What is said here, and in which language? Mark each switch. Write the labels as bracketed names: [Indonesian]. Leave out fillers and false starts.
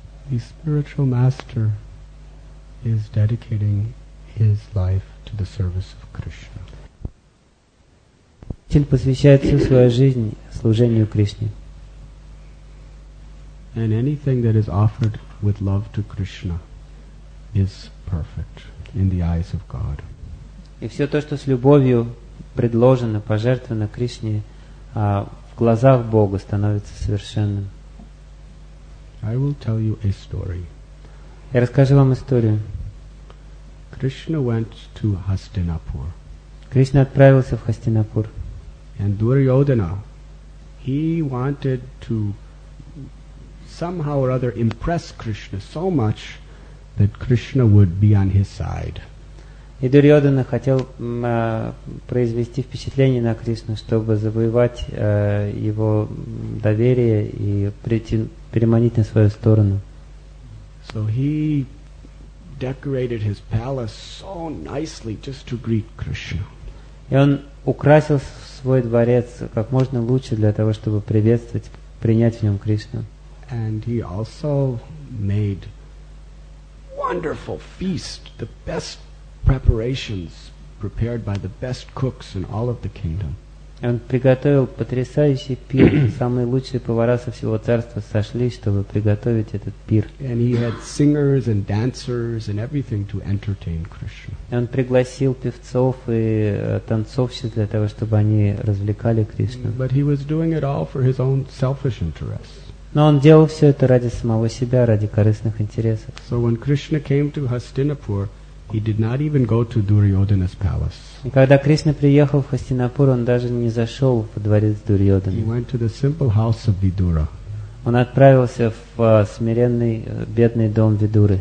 [English] The spiritual master is dedicating his life to the service of Krishna. [Russian] Учитель посвящает всю свою жизнь служению Кришне. [English] And anything that is offered with love to Krishna is perfect in the eyes of God. [Russian] И все то, что с любовью предложено, пожертвовано Кришне, в глазах Бога становится совершенным. [English] I will tell you a story. [Russian] Я расскажу вам историю. [English] Krishna went to Hastinapur. [Russian] Кришна отправился в Хастинапур. [English] And Duryodhana, he wanted to somehow or other impress Krishna so much that Krishna would be on his side. [Russian] И Дурьодхана хотел произвести впечатление на Кришну, чтобы завоевать его доверие и переманить на свою сторону. [English] So he decorated his palace so nicely just to greet Krishna. [Russian] И он украсил свой дворец как можно лучше для того, чтобы приветствовать, принять в нем Кришну. [English] And he also made wonderful feast, the best preparations prepared by the best cooks in all of the kingdom. [Russian] Он приготовил потрясающий пир, самые лучшие повара со всего царства сошлись, чтобы приготовить этот пир. [English] And he had singers and dancers and everything to entertain Krishna. [Russian] И он пригласил певцов и танцовщиц для того, чтобы они развлекали Кришну. [English] But he was doing it all for his own selfish interests. [Russian] Но он делал все это ради самого себя, ради корыстных интересов. [English] So when Krishna came to Hastinapur, he did not even go to Duryodhana's palace. [Russian] И когда Кришна приехал в Хастинапур, он даже не зашел в дворец Дурьодхана. [English] He went to the simple house of Vidura. [Russian] Он отправился в смиренный бедный дом Видуры.